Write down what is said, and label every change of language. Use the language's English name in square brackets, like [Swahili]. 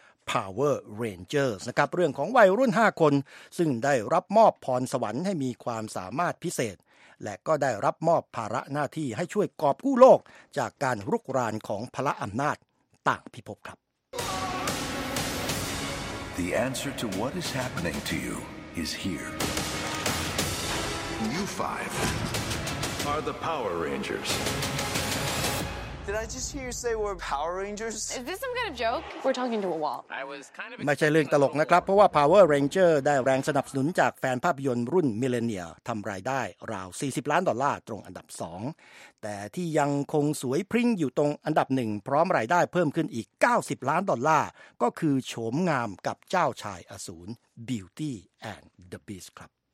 [Thai] Power Rangers นะครับเรื่องของวัยรุ่น5คนซึ่งได้รับมอบพรสวรรค์ให้มีความสามารถพิเศษและก็ได้รับมอบภาระหน้าที่ให้ช่วยกอบกู้โลกจากการรุกรานของพละอำนาจต่างพิภพครับ [English] The answer to what is happening to you is here. You five are the Power Rangers. Did I just hear you say we're Power Rangers? Is this some kind of joke? We're talking to a wall. I was kind of. [Thai] ไม่ใช่เรื่องตลกนะครับเพราะว่า Power Ranger ได้แรงสนับสนุนจากแฟนภาพยนตร์รุ่นมิเลเนียลทำรายได้ราว40ล้านดอลลาร์ตรงอันดับ2แต่ที่ยังคงสวยพริ้งอยู่ตรงอันดับ1พร้อมรายได้เพิ่มขึ้นอีก90ล้านดอลลาร์ก็คือโฉมงามกับเจ้าชายอสูร Beauty and the Beast ครับ